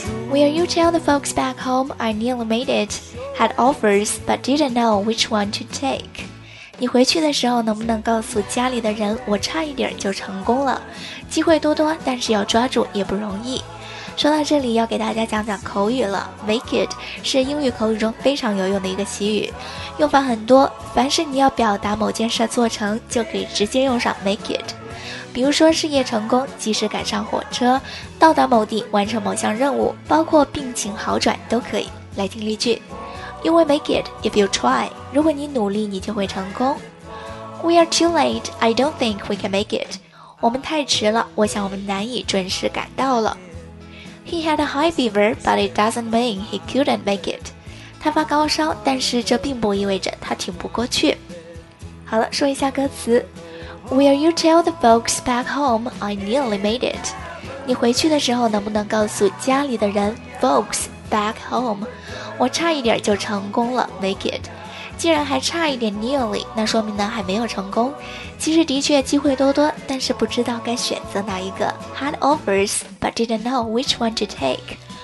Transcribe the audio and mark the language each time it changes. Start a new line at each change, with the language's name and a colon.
English: Will you tell the folks back home I nearly made it? Had offers, but didn't know which one to take.
Chinese: 你回去的时候能不能告诉家里的人我差一点就成功了？机会多多，但是要抓住也不容易。说到这里要给大家讲讲口语了。 Make it 是英语口语中非常有用的一个习语，用法很多，凡是你要表达某件事做成就可以直接用上 make it。比如说事业成功，及时赶上火车，到达某地完成某项任务，包括病情好转都可以。来听例句。
English: You will make it if you try.
Chinese: 如果你努力你就会成功。
English: We are too late. I don't think we can make it.
Chinese: 我们太迟了，我想我们难以准时赶到了。
English: He had a high fever, but it doesn't mean he couldn't make it.
Chinese: 他发高烧，但是这并不意味着他挺不过去。好了，说一下歌词。
English: Will you tell the folks back home I nearly made it?
Chinese: 你回去的时候能不能告诉家里的人
English: folks back home?
Chinese: 我差一点就成功了 make it. 既然还差一点 nearly, 那说明呢还没有成功。其实的确机会多多，但是不知道该选择哪一个。
English: Had offers, but didn't know which one to take.